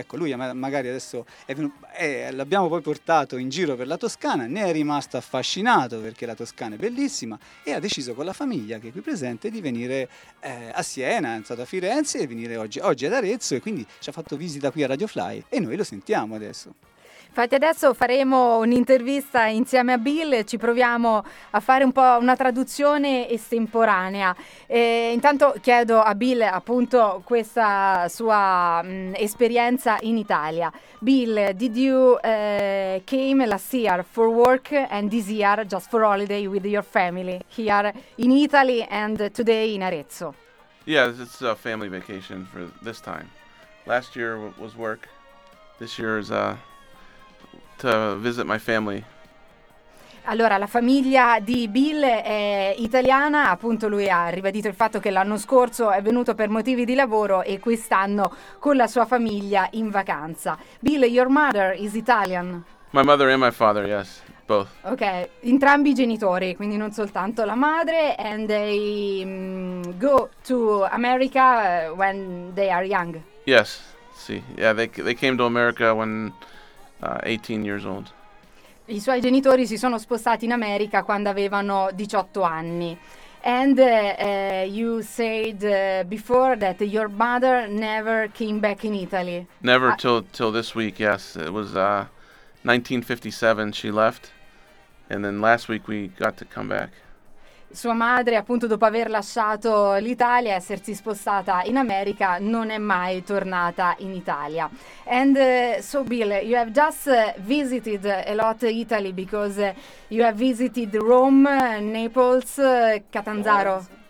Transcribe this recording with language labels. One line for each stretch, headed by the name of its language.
Italian: Ecco, lui magari adesso l'abbiamo poi portato in giro per la Toscana, ne è rimasto affascinato perché la Toscana è bellissima, e ha deciso con la famiglia che è qui presente di venire a Siena, è stato a Firenze, e venire oggi ad Arezzo, e quindi ci ha fatto visita qui a Radio Fly e noi lo sentiamo adesso. Infatti adesso faremo un'intervista insieme a Bill, ci proviamo a fare un po' una traduzione estemporanea. E intanto chiedo a Bill appunto questa sua esperienza in Italia.
English: Bill, did you came last year for work and this year just for holiday with your family here in Italy and today in Arezzo? Yeah, it's a family vacation for this time. Last year was work, this year is to visit my family.
Italian: Allora, la famiglia di Bill è italiana, appunto lui ha ribadito il fatto che l'anno scorso è venuto per motivi di lavoro e quest'anno con la sua famiglia in vacanza.
English: Bill, your mother is Italian? My mother and my father, yes, both.
Italian: Ok, entrambi i genitori, quindi non soltanto la madre,
English: and they go to America when they are young. Yes, sì, yeah, they came to America when 18 years old.
Italian: I suoi genitori si sono spostati in America quando avevano 18 anni.
English: And you said before that your mother never came back in Italy. Never till this week, yes. It was 1957 she left, and then last week we got to come back.
Italian: Sua madre, appunto, dopo aver lasciato l'Italia e essersi spostata in America, non è mai tornata in Italia.
English: And so, Bill, you have just visited a lot Italy because you have visited Rome, Naples, Catanzaro.